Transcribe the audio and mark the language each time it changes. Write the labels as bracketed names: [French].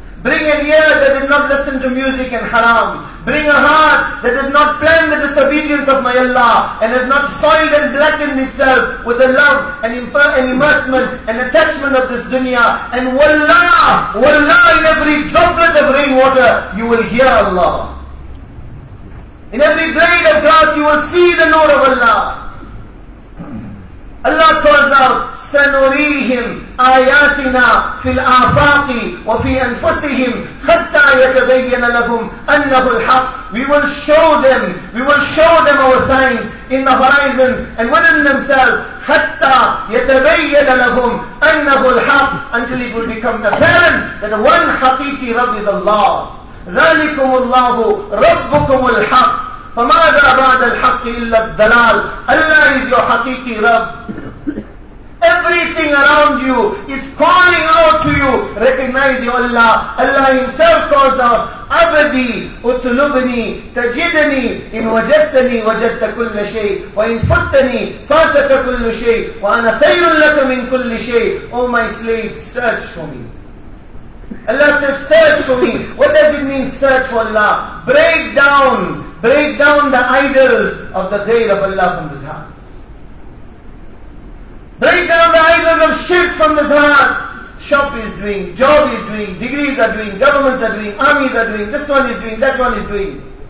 [English] Bring an ear that did not listen to music and haram. Bring a heart that has not planned the disobedience of my Allah and has not soiled and blackened itself with the love and immersement and attachment of this dunya. And wallah, in every droplet of rainwater, you will hear Allah. In every blade of grass, you will see the noor of Allah. [Arabic] Allah told them, سَنُرِيهِمْ آيَاتِنَا فِي الْآفَاقِ وَفِي أَنفُسِهِمْ حَتَّى يَتَبَيَّنَ لَهُمْ أَنَّهُ الْحَقِّ. [English] We will show them our signs in the horizon and within themselves. [Arabic] حَتَّى يَتَبَيَّنَ لَهُمْ أَنَّهُ الْحَقِّ. [English] Until it will become apparent that the one حَقِيقِ رَبِّ is Allah. [Arabic] ذَلِكُمُ اللَّهُ رَبُّكُمُ الْحَقِّ. فَمَاذَا بَعْدَ الْحَقِّ إِلَّا الدَّلَالِ. [English] Allah is your حَقِيقِ رَبْ. Everything around you is calling out to you, recognize your Allah. [Arabic] Allah Himself calls out, عَبَدِي أُطْلُبْنِي تَجِدْنِي إِنْ وَجَدْتَنِي وَجَدْتَ كُلَّ شَيْءٍ وَإِنْ فُتَّنِي فَاتَكَ كُلُّ شَيْءٍ وَأَنَا خَيْرٌ لَكَ مِنْ كُلِّ شَيْءٍ. [English] O my slave, search for me. Allah says, search for me. What does it mean, search for Allah? Break down the idols of the ghair of Allah from this heart. Break down the idols of shirk from this heart. Shop is doing, job is doing, degrees are doing, governments are doing, armies are doing, this one is doing, that one is doing.